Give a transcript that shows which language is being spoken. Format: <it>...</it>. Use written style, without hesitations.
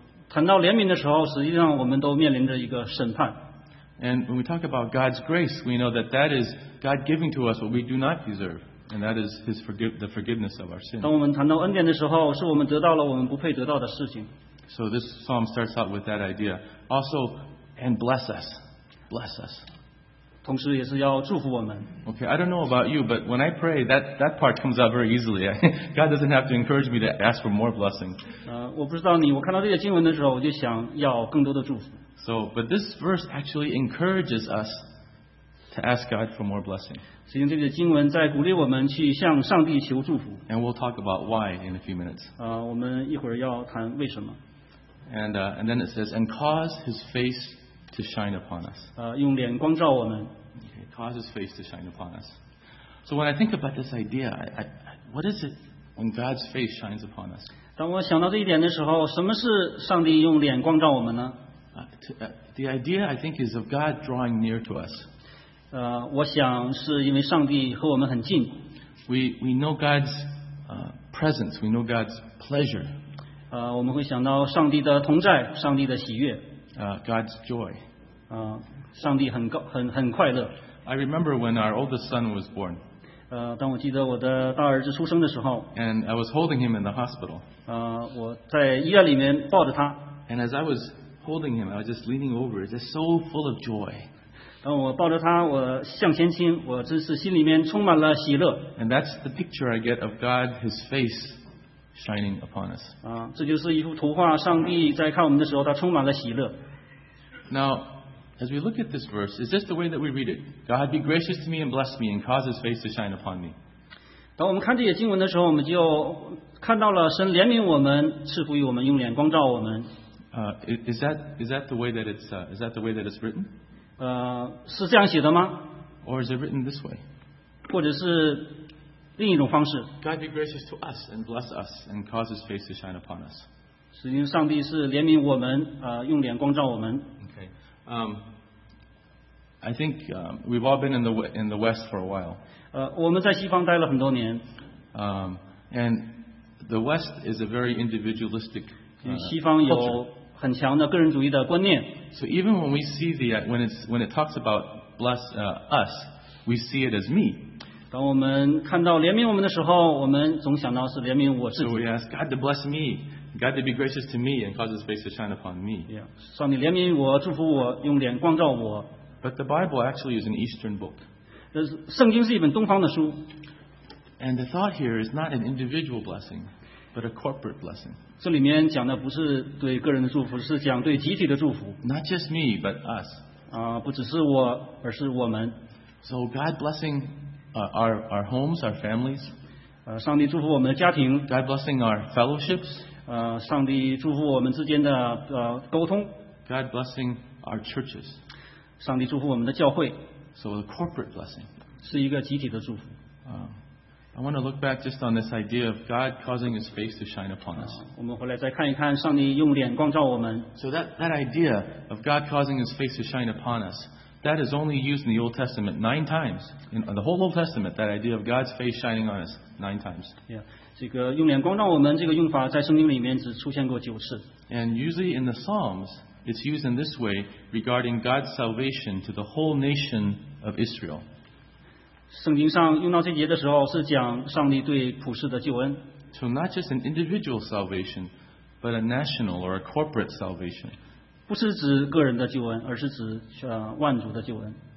<zh>谈到怜悯的时候，实际上我们都面临着一个审判。</zh> <en>And when we talk about God's grace, we know that that is God giving to us what we do not deserve, and that is His the forgiveness of our sins.</en> <zh>当我们谈到恩典的时候，是我们得到了我们不配得到的事情。</zh> <en>So this psalm starts out with that idea. Also, and bless us, bless us.</en> <zh>同时也是要祝福我们。</zh> <en>Okay, I don't know about you, but when I pray, that part comes out very easily. God doesn't have to encourage me to ask for more blessing.</en> <zh>我不知道你，我看到这些经文的时候，我就想要更多的祝福。</zh> <en>So, but this verse actually encourages us to ask God for more blessing.</en> <zh>实际上这些经文在鼓励我们去向上帝求祝福。</zh> <en>And we'll talk about why in a few minutes.</en> <zh>我们一会儿要谈为什么。</zh> <en>And then it says, and cause his face to shine upon us.</en> <zh>用脸光照我们。</zh> <en>Okay, cause his face to shine upon us. So when I think about this idea, what is it when God's face shines upon us?</en> <zh>当我想到这一点的时候，什么是上帝用脸光照我们呢？</zh> <en>The idea, I think, is of God drawing near to us.</en> <zh>我想是因为上帝和我们很近。</zh> <en>We know God's presence. We know God's pleasure.</en> <zh>我们会想到上帝的同在，上帝的喜悦。</zh> <en>God's joy.</en> <zh>上帝很快乐。</zh> <en>I remember when our oldest son was born.</en> <zh>当我记得我的大儿子出生的时候。</zh> <en>And I was holding him in the hospital.</en> <zh>我在医院里面抱着他。</zh> <en>And as I was holding him, I was just leaning over, just so full of joy.</en> <zh>当我抱着他，我向前倾，我真是心里面充满了喜乐。</zh> <en>And that's the picture I get of God, His face shining upon us.</en> <zh>这就是一幅图画，上帝在看我们的时候，他充满了喜乐。</zh> <en>Now, as we look at this verse, is this the way that we read it? God be gracious to me and bless me and cause His face to shine upon me.</en> <zh>当我们看这些经文的时候，我们就看到了神怜悯我们，赐福于我们，用脸光照我们。</zh> <en>Is that the way that it's is that the way that it's written?</en> <zh>是这样写的吗？</zh> <en>Or is it written this way?</en> <zh>或者是另一种方式。</zh> <en>God be gracious to us and bless us and cause His face to shine upon us.</en> <zh>实际上上帝是怜悯我们，用脸光照我们。</zh> <en>Okay. I think we've all been in the West for a while.</en> <zh>我们在西方待了很多年。</zh> <en>And the West is a very individualistic.</en> <zh>西方有很强的个人主义的观念。</zh> <en>So even when we see when it talks about bless us, we see it as me.</en> <zh>当我们看到怜悯我们的时候，我们总想到是怜悯我自己。</zh> <en>So we ask God to bless me, God to be gracious to me, and cause His face to shine upon me.</en> <zh>Yeah, 上帝怜悯我，祝福我，用脸光照我。</zh> <en>But the Bible actually is an Eastern book.</en> <zh>圣经是一本东方的书。</zh> <en>And the thought here is not an individual blessing, but a corporate blessing.</en> <zh>这里面讲的不是对个人的祝福，是讲对集体的祝福。</zh> <en>Not just me, but us.</en> <zh>不只是我，而是我们。</zh> <en>So God blessing our homes, our families.</en> <zh>上帝祝福我们的家庭。</zh> <en>God blessing our fellowships.</en> <zh>上帝祝福我们之间的沟通。</zh> <en>God blessing our churches.</en> <zh>上帝祝福我们的教会。</zh> <en>So a corporate blessing.</en> <zh>是一个集体的祝福。</zh> <en>I want to look back just on this idea of God causing His face to shine upon us.</en> <zh>我们回来再看一看上帝用脸光照我们。</zh> <en>So that idea of God causing His face to shine upon us, that is only used in the Old Testament 9 times. In the whole Old Testament, that idea of God's face shining on us 9 times.</en> <zh>Yeah, 这个用脸光照我们这个用法在圣经里面只出现过九次。</zh> <en>And usually in the Psalms, it's used in this way regarding God's salvation to the whole nation of Israel.</en> <zh>圣经上用到这节的时候，是讲上帝对普世的救恩。</zh> <en>So not just an individual salvation, but a national or a corporate salvation.</en> <zh>不是指个人的救恩，而是指万族的救恩。</zh>